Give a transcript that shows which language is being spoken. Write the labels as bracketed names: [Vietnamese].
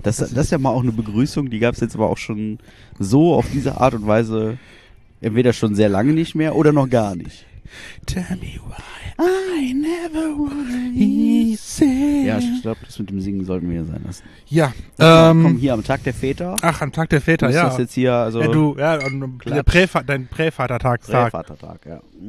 [German] Das ist ja mal auch eine Begrüßung, die gab es jetzt aber auch schon so auf diese Art und Weise entweder schon sehr lange nicht mehr oder noch gar nicht. [English] Tell me why I never wanna sing. [German] Ja, ich glaube, das mit dem Singen sollten wir hier sein lassen. Ja. Komm, hier am Tag der Väter. Ach, am Tag der Väter, ja. Du bist jetzt hier, also... Ja, du, ja, dein Prävatertagstag. Prävatertag, ja.